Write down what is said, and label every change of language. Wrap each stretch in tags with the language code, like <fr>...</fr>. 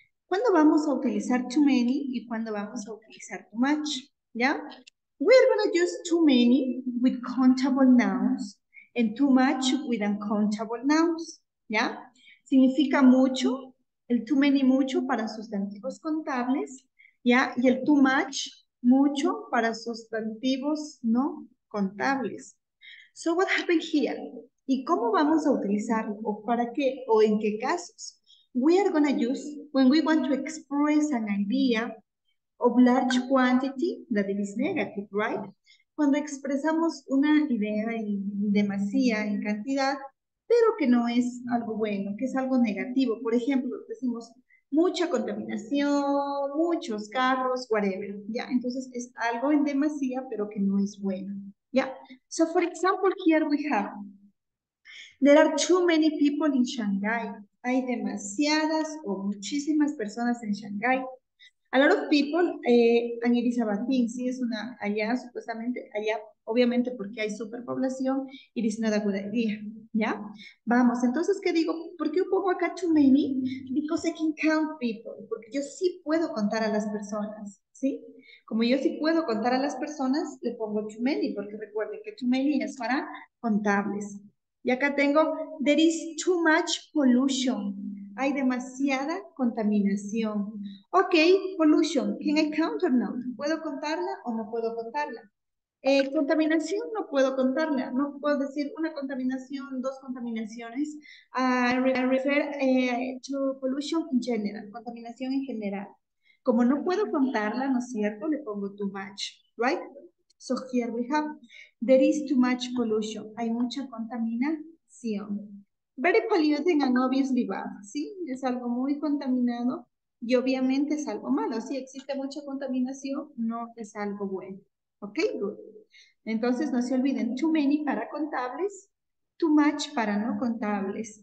<es>¿Cuándo vamos a utilizar too many y cuándo vamos a utilizar too much? ¿Ya?</es> <en>We are going to use too many with countable nouns and too much with uncountable nouns.</en> <es>¿Ya? Significa mucho, el too many mucho para sustantivos contables, ¿ya? Y el too much mucho para sustantivos no contables.</es> <en>So what happened here?</en> <es>¿Y cómo vamos a utilizarlo? ¿O para qué? ¿O en qué casos?</es> <en>We are going to use, when we want to express an idea of large quantity, that is negative, right?</en> <es>Cuando expresamos una idea en demasía, en cantidad, pero que no es algo bueno, que es algo negativo. Por ejemplo, decimos mucha contaminación, muchos carros, whatever, ¿ya? Entonces es algo en demasía, pero que no es bueno, ¿ya?</es> <en>So, for example, here we have, there are too many people in Shanghai.</en> <es>Hay demasiadas o muchísimas personas en Shanghai.</es> <en>A lot of people, and it is a bad thing.</en> <es>Sí, es una, allá, supuestamente, allá, obviamente, porque hay superpoblación,</es> <en>it is not a good idea,</en> <es>¿ya? Vamos, entonces, ¿qué digo? ¿Por qué pongo acá too many?</es> <en>Because I can count people,</en> <es>porque yo sí puedo contar a las personas, ¿sí? Como yo sí puedo contar a las personas, le pongo too many, porque recuerden que too many es para contables. Y acá tengo,</es> <en>there is too much pollution.</en> <es>Hay demasiada contaminación.</es> <en>Ok, pollution, can I count or not?</en> <es>¿Puedo contarla o no puedo contarla? Contaminación, no puedo contarla. No puedo decir una contaminación, dos contaminaciones.</es> <en>I refer to pollution in general,</en> <es>contaminación en general. Como no puedo contarla, ¿no es cierto? Le pongo too much, right?</es> <en>So here we have, there is too much pollution.</en> <es>Hay mucha contaminación.</es> <en>Very polluting and obviously bad, ¿sí?</en> <es>Es algo muy contaminado y obviamente es algo malo. Si existe mucha contaminación, no es algo bueno.</es> <en>Ok, good.</en> <es>Entonces no se olviden, too many para contables, too much para no contables.</es>